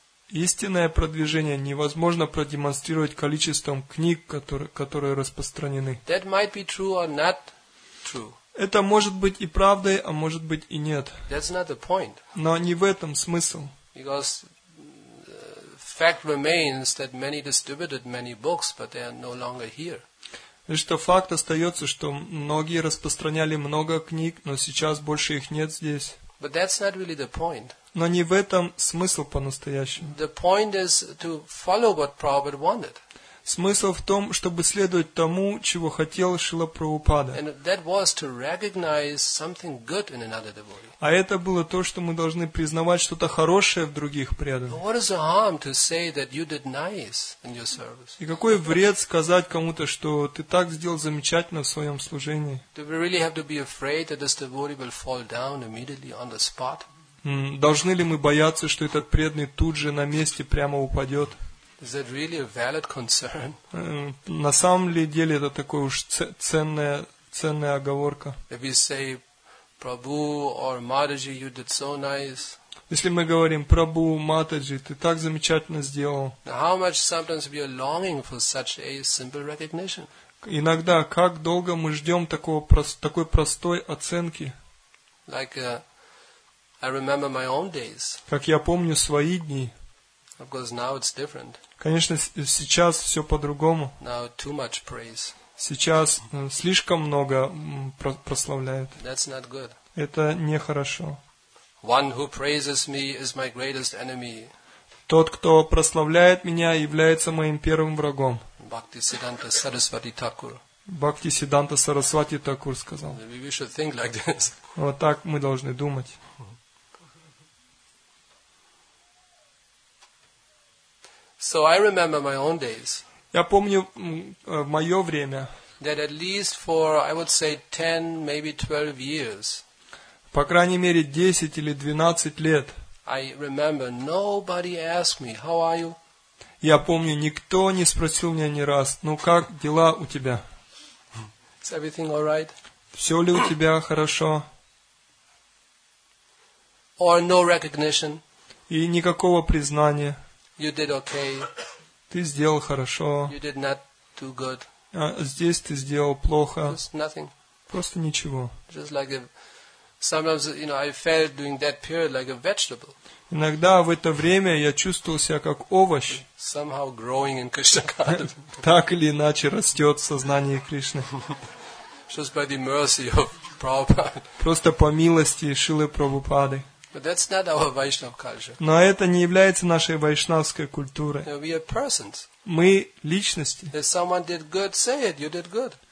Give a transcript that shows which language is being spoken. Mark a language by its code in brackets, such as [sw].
[ru] Истинное продвижение невозможно продемонстрировать количеством книг, которые распространены. [en] That might be true or not true. [ru] Это может быть и правдой, а может быть и нет. [en] That's not the point. [ru] Но не в этом смысл. [en] Because fact remains that many distributed many books, but they are no longer here. [ru] И что факт остается, что многие распространяли много книг, но сейчас больше их нет здесь. [en] But that's not really the point. [ru] Но не в этом смысл по-настоящему. [en] The point is to follow what Prabhupada wanted. [ru] Смысл в том, чтобы следовать тому, чего хотел Шрила Прабхупада. [en] And that was to recognize something good in another devotee. [ru] А это было то, что мы должны признавать что-то хорошее в других преданных. [en] What is the harm to say that you did nice in your service? [ru] И какой вред сказать кому-то, что ты так сделал замечательно в своем служении? [en] Do we really have to be afraid that this devotee will fall down immediately on the spot? [ru] Должны ли мы бояться, что этот преданный тут же на месте прямо упадет? [en] Is that really a valid concern? [ru] На самом ли деле это такое уж ценная оговорка? [en] If we say, Prabhu or Mataji, you did so nice. [ru] Если мы говорим, Прабу, Матаджи, ты так замечательно сделал. [en] How much sometimes we are longing for such a simple recognition? [ru] Иногда как долго мы ждем такой простой оценки? [en] Like I remember my own days. [ru] Как я помню свои дни. [en] Of course, now it's different. [ru] Конечно, сейчас все по-другому. [en] Now too much praise. [ru] Сейчас слишком много прославляют. [en] That's not good. [ru] Это нехорошо. [en] One who praises me is my greatest enemy. [ru] Тот, кто прославляет меня, является моим первым врагом. Бхактисиддханта Сарасвати Такур. Бхактисиддханта Сарасвати Такур сказал. [en] Maybe we should think like this. [ru] Вот так мы должны думать. [en] So I remember my own days. [ru] Я помню мое время. [en] That at least for, I would say, 10, maybe 12 years. [ru] По крайней мере 10 или 12 лет. [en] I remember nobody asked me, how are you? [ru] Я помню, никто не спросил меня ни раз, ну как дела у тебя? [en] Is everything all right? [ru] Все ли у тебя хорошо? [en] Or no recognition? [ru] И никакого признания. [en] You did okay. [ru] Ты сделал хорошо. [en] You did not too good. [ru] А здесь ты сделал плохо. [en] Just nothing. [ru] Просто ничего. [en] Just like sometimes, you know, I felt during that period like a vegetable. [ru] Иногда в это время я чувствовал себя как овощ. [en] Somehow growing in Krishna consciousness. [ru] Так или иначе растет в сознании Кришны. [en] Just by the mercy of Prabhupada. [ru] Просто по милости Шрилы Прабхупады. [en] But that's not our Vaishnav culture. [ru] Но это не является нашей вайшнавской культурой. [en] We are persons. [ru] Мы личности. [en] If someone did good, say it, you did good.